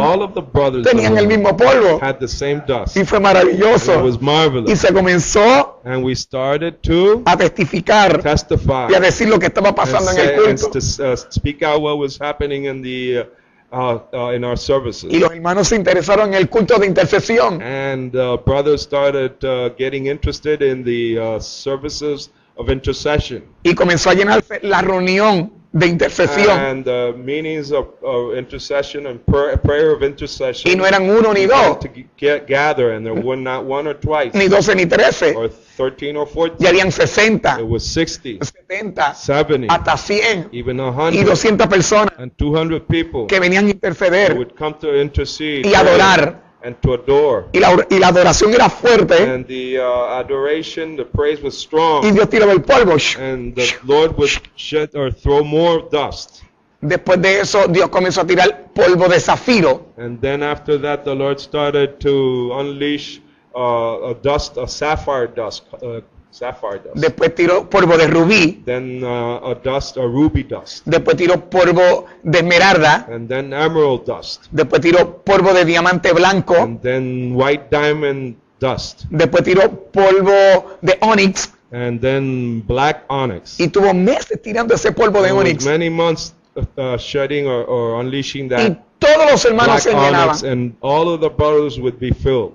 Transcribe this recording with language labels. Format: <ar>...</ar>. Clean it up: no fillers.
<en>all of the brothers</en> <es>tenían el mismo polvo,</es> <en>had the same dust.</en> <es>Y fue maravilloso.</es> <en>It was marvelous.</en> <es>Y se comenzó,</es> <en>and we started to</en> <es>a testificar,</es> <en>testify,</en> <es>y a decir lo que estaba pasando</es> <en>and say,</en> <es>en el culto,</es> <en>and to speak out what was happening in the in our services.</en> <es>Y los hermanos se interesaron en el culto de intercesión.</es> <en>And brothers started getting interested in the services of intercession.</en> <es>Y comenzó a llenar la reunión de intercesión.</es> <en>And the meanings of intercession and prayer of intercession.</en> <es>Y no eran uno ni dos.</es> <en>To get gather and there were not one or twice.</en> <es>Ni 12 ni 13.</es> <en>Or 13 or 14.</en> <es>Y habían 60.</es> <en>It was 60.</en> <es>70.</es> <en>70.</en> <es>Hasta 100.</es> <en>Even 100.</en> <es>Y 200 personas.</es> <en>And 200 people.</en> <es>Que venían a interceder.</es> <en>Who would come to intercede.</en> <es>Y adorar.</es> <en>And to adore.</en> <es>Y la adoración era fuerte.</es> <en>And the adoration, the praise was strong.</en> <es>Y Dios tiraba el polvo.</es> <en>And the Lord would shed or throw more dust.</en> <es>Después de eso, Dios comenzó a tirar polvo de zafiro.</es> <en>And then after that, the Lord started to unleash a dust, a sapphire dust. Sapphire dust.</en> <es>Después tiró polvo de rubí.</es> <en>Then a dust, a ruby dust.</en> <es>Después tiró polvo de esmeralda.</es> <en>And then emerald dust.</en> <es>Después tiró polvo de diamante blanco.</es> <en>And then white diamond dust.</en> <es>Después tiró polvo de onyx.</es> <en>And then black onyx.</en> <es>Y tuvo meses tirando ese polvo de onyx.</es> <en>Many months shedding or unleashing that.</en> <es>Y todos los hermanos se llenaban.</es> <en>Onyx, and all of the brothers would be filled.</en>